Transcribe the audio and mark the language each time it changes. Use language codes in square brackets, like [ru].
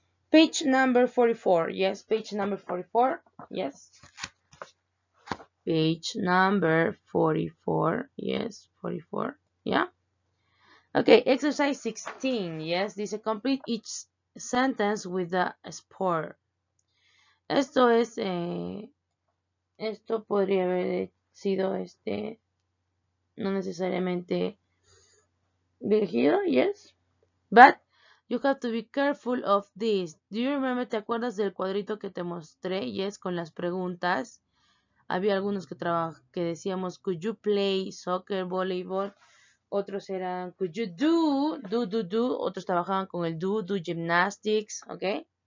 [en] Page number 44, yes, page number 44, yes. Page number 44, yes, 44, yeah. Okay, exercise 16, yes, dice complete each sentence with the spore. [es] Esto es, esto podría haber sido este, no necesariamente dirigido, yes. [en] But you have to be careful of this. Do you remember, [es] te acuerdas del cuadrito que te mostré, yes, con las preguntas? Había algunos que que decíamos, [en] could you play soccer, volleyball? [es] Otros eran, [en] could you do. [es] Otros trabajaban con el [en] do gymnastics, okay?